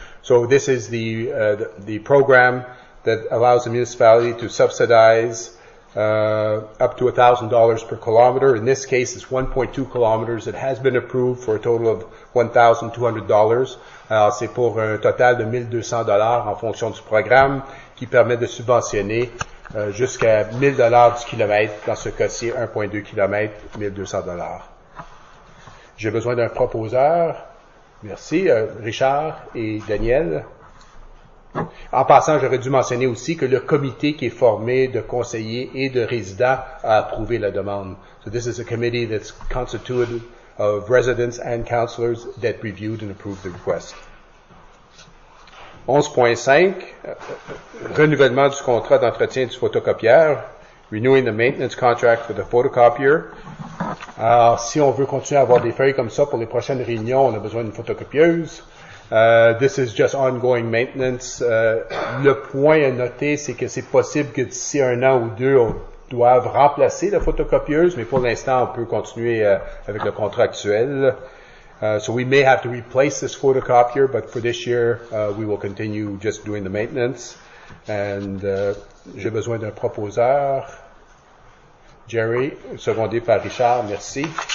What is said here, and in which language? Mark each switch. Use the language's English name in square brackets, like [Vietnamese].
[English] So this is the program that allows the municipality to subsidize up to $1,000 per kilometer. In this case, it's 1.2 kilometers. It has been approved for a total of $1,200. [French] Alors, c'est pour un total de $1,200 en fonction du programme qui permet de subventionner jusqu'à $1,000 du kilomètre. Dans ce cas-ci, 1.2 kilomètres, $1,200. J'ai besoin d'un proposeur. Merci, Richard et Daniel. En passant, j'aurais dû mentionner aussi que le comité qui est formé de conseillers et de résidents a approuvé la demande. [English] So this is a committee that's constituted of residents and councillors that reviewed and approved the request. [French] 11.5, renouvellement du contrat d'entretien du photocopieur, [English] renewing the maintenance contract for the photocopier. [French] Alors, si on veut continuer à avoir des feuilles comme ça pour les prochaines réunions, on a besoin d'une photocopieuse. [English] This is just ongoing maintenance. [French] Le point à noter, c'est que c'est possible que d'ici un an ou deux, on doive remplacer la photocopieuse, mais pour l'instant, on peut continuer avec le contrat actuel. [English] So we may have to replace this photocopier, but for this year, we will continue just doing the maintenance. [French] And j'ai besoin d'un proposeur. Jerry, secondé par Richard, merci.